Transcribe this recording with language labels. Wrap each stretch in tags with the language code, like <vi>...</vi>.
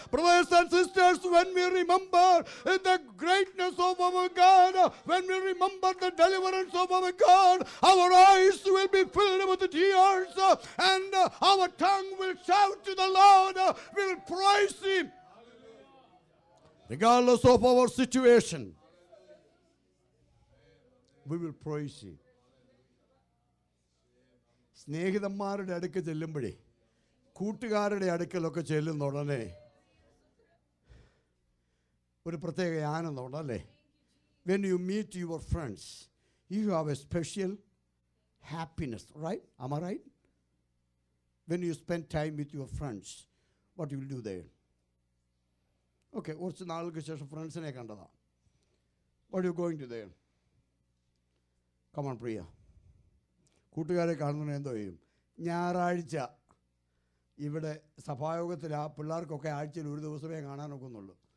<en>Brothers and sisters, when we remember the greatness of our God, when we remember the deliverance of our God, our eyes will be filled with tears and our tongue will shout to the Lord, will praise him. Regardless of our situation, we will praise him.</en> <ml>സ്നേഹിതന്മാരുടെ അടുക്ക് ചെല്ലുമ്പോഴേ, കൂട്ടുകാരുടെ അടുക്കലൊക്കെ ചെല്ലുന്ന ഉടനെ ഒരു പ്രത്യേക ആനന്ദം ഉണ്ടല്ലേ.</ml> <en>When you meet your friends, you have a special happiness, right? Am I right? When you spend time with your friends, what you will do there?</en> <ml>Okay, കുറച്ച് നാളുകൾക്ക് ശേഷം ഫ്രണ്ട്സിനെ കണ്ടതാ.</ml> <en>What you going to ദേ?</en> <ml>Come on പ്രിയ, കൂട്ടുകാരെ കാണുന്നതിന് എന്തോ ചെയ്യും? ഞായറാഴ്ച ഇവിടെ സഭായോഗത്തിൽ ആ പിള്ളേർക്കൊക്കെ ആഴ്ചയിൽ ഒരു ദിവസമേ കാണാനൊക്കുന്നുള്ളൂ.</ml>